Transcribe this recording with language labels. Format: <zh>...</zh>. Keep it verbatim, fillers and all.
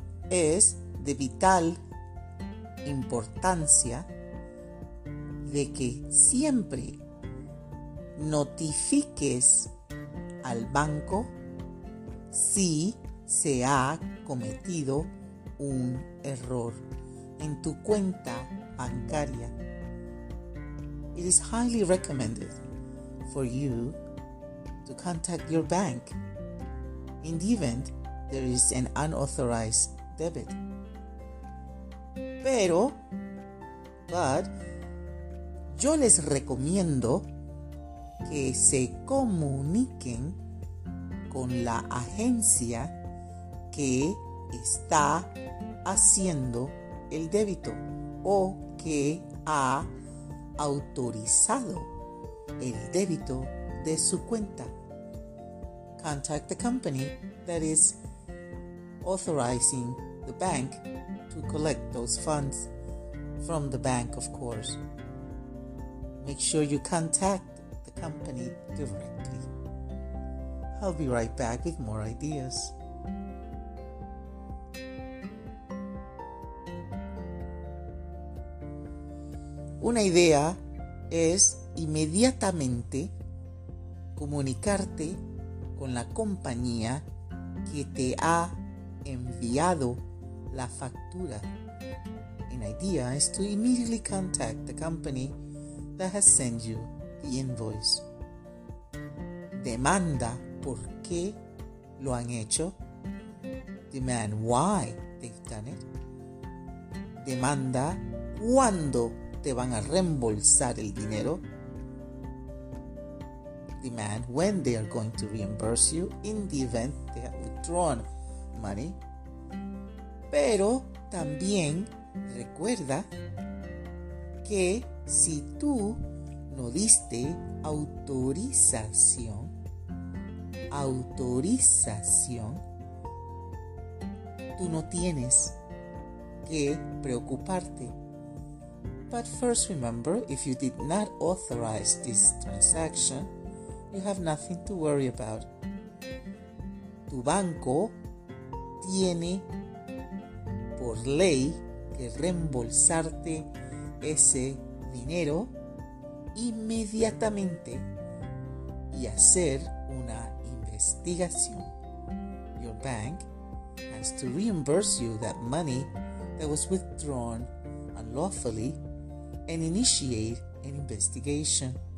<es>Es de vital importancia de que siempre notifiques al banco si se ha cometido un error en tu cuenta bancaria.</es> <en>It is highly recommended for you to contact your bank in the event there is an unauthorized debit.</en> <es>Pero,</es> <en>but,</en> <es>yo les recomiendo que se comuniquen con la agencia que está haciendo el débito o que ha autorizado el débito de su cuenta.</es> <en>Contact the company that is authorizing the bank to collect those funds from the bank, of course. Make sure you contact the company directly. I'll be right back with more ideas.</en> <es>Una idea es inmediatamente comunicarte con la compañía que te ha enviado la factura.</es> <en>An idea is to immediately contact the company that has sent you the invoice.</en> <es>Demanda por qué lo han hecho.</es> <en>Demand why they've done it.</en> <es>Demanda cuándo te van a reembolsar el dinero.</es> <en>Demand when they are going to reimburse you in the event they have withdrawn money.</en> <es>Pero también recuerda que si tú no diste autorización, autorización, tú no tienes que preocuparte.</es> <en>But first remember, if you did not authorize this transaction, you have nothing to worry about.</en> <es>Tu banco tiene por ley que reembolsarte ese dinero inmediatamente y hacer una investigación.</es> <en>Your bank has to reimburse you that money that was withdrawn unlawfully and initiate an investigation.</en>